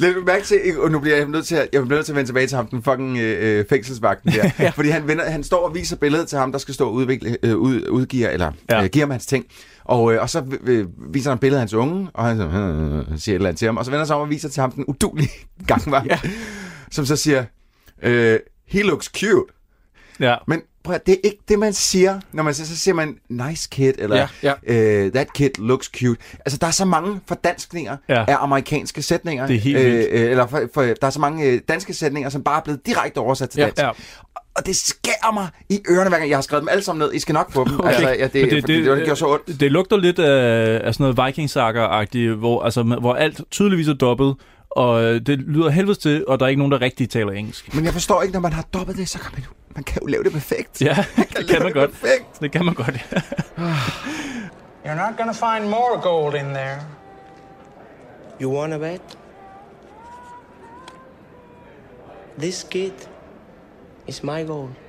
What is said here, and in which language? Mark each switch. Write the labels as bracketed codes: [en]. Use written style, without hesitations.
[da] Lidt mærke til, og nu bliver jeg nødt til at, vende tilbage til ham, den fucking fængselsvagten der, ja. Fordi han står og viser billedet til ham, der skal stå og giver ham hans ting. Og så viser han billedet af hans unge, og han siger et eller andet til ham, og så vender sig om og viser til ham den uduelige gangvagt, ja. Som så siger, [en] he looks cute. [da] Ja. Men prøv at, det er ikke det, man siger, når man siger, så siger man, [en] nice kid, [da] eller [en] that kid looks cute. [da] Altså, der er så mange fordanskninger af amerikanske sætninger. Det er helt vildt. Eller for der er så mange danske sætninger, som bare er blevet direkte oversat til dansk. Ja. Og det skærer mig i ørerne, hver gang jeg har skrevet dem alle sammen ned. I skal nok få dem. Okay. Altså, ja, det gør så ondt. Det lugter lidt af sådan noget vikingsager-agtigt, hvor alt tydeligvis er dobbelt, og det lyder helvedes til, og der er ikke nogen, der rigtig taler engelsk. Men jeg forstår ikke, når man har dobbelt det, så kan man jo, man kan jo lave det perfekt. Ja, det kan man godt. Perfekt. Det kan man godt, ja. [en] You're not gonna find more gold in there. You wanna bet? This kid... It's my goal.